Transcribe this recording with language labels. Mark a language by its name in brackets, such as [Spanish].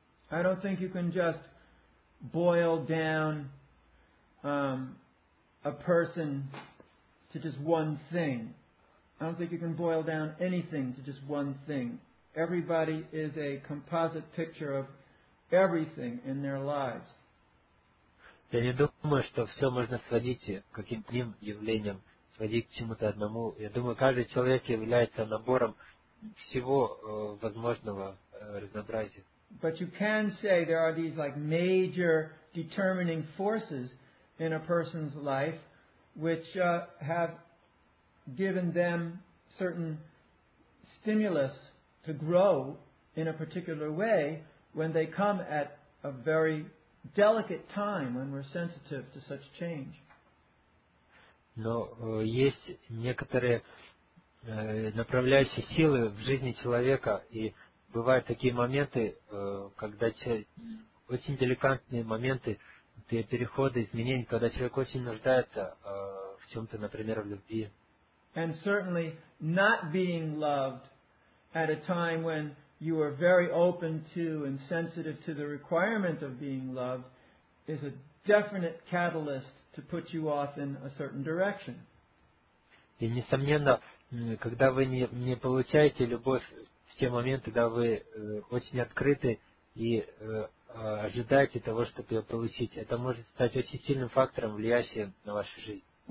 [English] I don't think you can just boil down a person to just one thing. I don't think you can boil down anything to just one thing. Everybody is a composite picture of everything in their lives. [Russian] Я не думаю, что все можно сводить к каким-то одним явлениям, сводить к чему-то одному. Я думаю, каждый человек является набором всего возможного разнообразия. [English] But you can say there are these like major determining forces in a person's life which have given them certain stimulus to grow in a particular way when they come at a very delicate time when we're sensitive to such change. [Russian] Но есть некоторые направляющие силы в жизни человека, и бывают такие моменты, когда очень деликатные моменты, переходы, изменения, когда человек очень нуждается в чем-то, например, в любви. [English] And certainly not being loved at a time when you are very open to and sensitive to the requirement of being loved is a definite catalyst to put you off in a certain direction. [Russian] И, несомненно, когда вы не получаете любовь в те моменты, когда вы очень открыты и ожидаете того, чтобы ее получить, это может стать очень сильным фактором, влияющим на вашу жизнь.